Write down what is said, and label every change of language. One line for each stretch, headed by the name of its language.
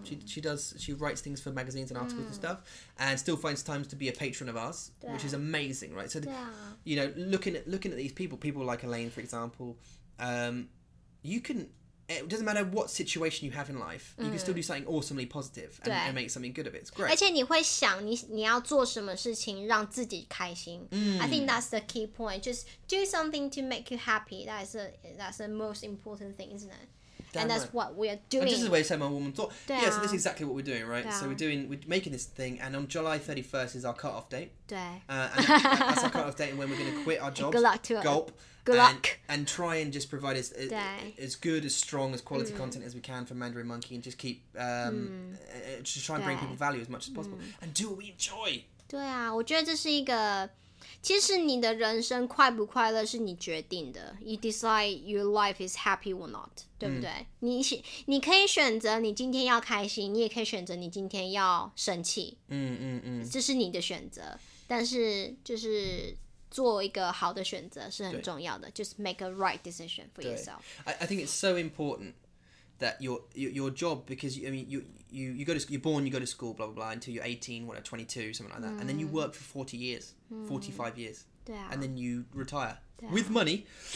English: She writes things for magazines and articles and stuff. And still finds time to be a patron of ours, which is amazing, right? So, you know, looking at these people like Elaine, for example, you can... It doesn't matter what situation you have in life, you can still do something awesomely positive and make something good of it. It's great.
Chinese: 而且你会想你要做什么事情让自己开心。
English: I think that's the key point. Just do something to make you happy. That's the most important thing, isn't it? And that's what we are doing. And this is the way Sama Woman thought. Yeah, so this is exactly what we're doing, right? So we're making this thing, and on July 31st is our cut-off date. That's our cut-off date and when we're going to quit our jobs. Good luck to us. Gulp. Good luck. And try and just provide as good, as strong, as quality content as we can for Mandarin Monkey and just keep, just try and bring people value as much as possible. And do what we enjoy.
Chinese: 对啊，我觉得这是一个，其实你的人生快不快乐是你决定的。
English: You decide your life is happy or not,
Chinese: 对不对？你可以选择你今天要开心，你也可以选择你今天要生气。这是你的选择，但是就是做一个好的选择是很重要的。
English: Just make a right decision for yourself. I think it's so important that your job, because I mean you go to school, you're born, you go to school, blah blah blah, until you're 18, what, 22, something like that, and then you work for 40 years, 45 years, and then you retire with money.